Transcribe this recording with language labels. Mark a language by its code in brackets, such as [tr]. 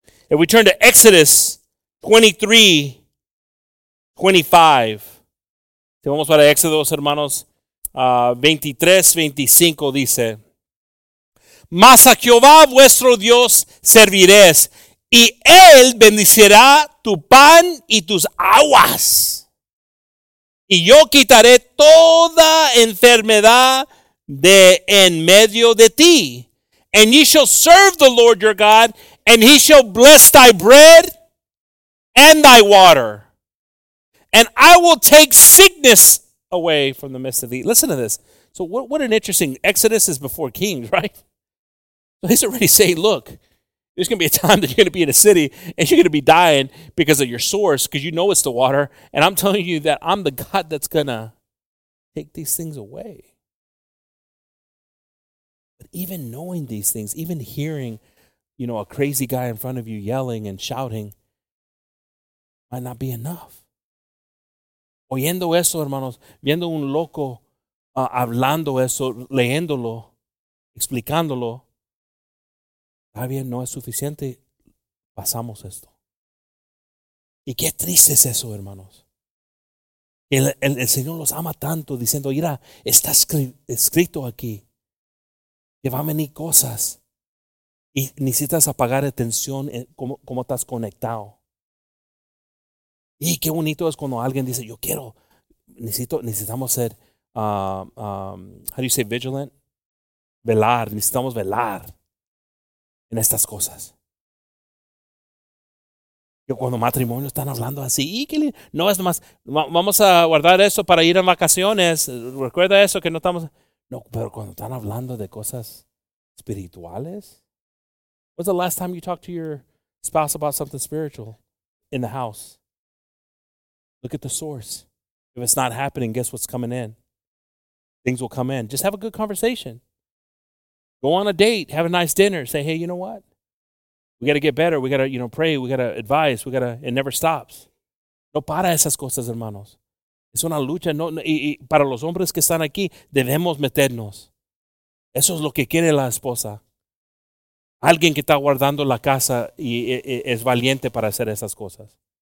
[en] If we turn to Exodus 23:25, [es] si vamos para Exodus, hermanos, 23:25 dice: Mas a Jehová vuestro Dios serviréis, y Él bendecirá tu pan y tus aguas, y yo quitaré toda enfermedad de en medio de ti. [en] And ye shall serve the Lord your God, and he shall bless thy bread and thy water. And I will take sickness away from the midst of thee. Listen to this. So what an interesting, Exodus is before Kings, right? So he's already saying, look, there's going to be a time that you're going to be in a city, and you're going to be dying because of your source, because you know it's the water. And I'm telling you that I'm the God that's going to take these things away. Even knowing these things, even hearing, you know, a crazy guy in front of you yelling and shouting might not be enough. [es] Oyendo eso, hermanos, viendo un loco hablando eso, leyéndolo, explicándolo, todavía no es suficiente, pasamos esto. Y qué triste es eso, hermanos. El Señor los ama tanto, diciendo, mira, está escrito aquí. Que van a venir cosas y necesitas apagar atención en cómo estás conectado. Y qué bonito es cuando alguien dice, yo quiero, necesitamos ser, [en] how do you say vigilant? [es] Velar, necesitamos velar en estas cosas. Yo cuando matrimonio están hablando así, y qué lindo, no es nomás, vamos a guardar eso para ir en vacaciones, recuerda eso que no estamos... No, pero cuando están hablando de cosas espirituales. [en] When's the last time you talked to your spouse about something spiritual in the house? Look at the source. If it's not happening, guess what's coming in? Things will come in. Just have a good conversation. Go on a date. Have a nice dinner. Say, hey, you know what? We got to get better. We got to, you know, pray. We got to advise. It never stops. [es] No para esas cosas, hermanos. [en] Es una lucha, no, y para los hombres que están aquí, debemos meternos. Eso es lo que quiere la esposa. Alguien que está guardando la casa y es valiente para hacer esas cosas.